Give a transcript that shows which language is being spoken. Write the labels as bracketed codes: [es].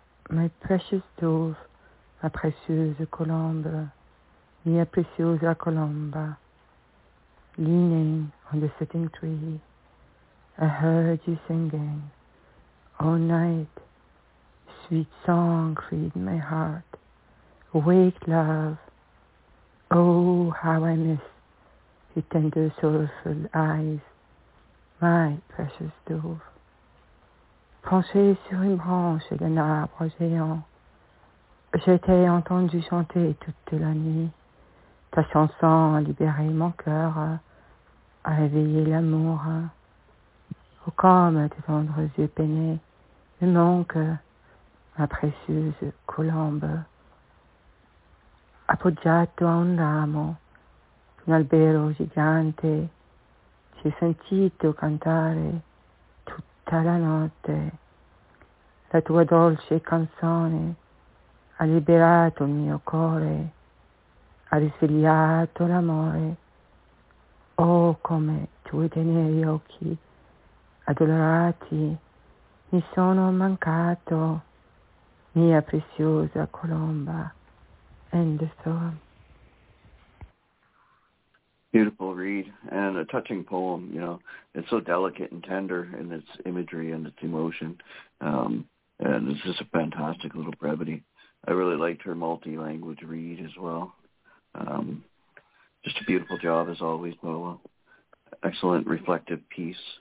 [en] My precious dove, [fr] ma précieuse colombe, [it] mia preciosa colomba, [en] leaning on the sitting tree, I heard you singing all night. Sweet song freed my heart. Awake, love. Oh, how I miss your tender, soulful eyes, my precious dove. [fr] Penché sur une branche d'un arbre géant, je t'ai entendu chanter toute la nuit. Ta chanson a libéré mon cœur, a réveillé l'amour. Oh, comme tes tendres yeux peinés me manquent, ma précieuse colombe. [it] Appoggiato a un ramo, un albero gigante, ti ho sentito cantare tutta la notte. La tua dolce canzone ha liberato il mio cuore, ha risvegliato l'amore. Oh, come tuoi teneri occhi addolorati, mi sono mancato, mia preziosa colomba. [en] End of poem. beautiful read and a touching poem. You know, it's so delicate and tender in its imagery and its emotion. And it's just a fantastic little brevity. I really liked her multi-language read as well. Just a beautiful job as always, Paula. Excellent reflective piece.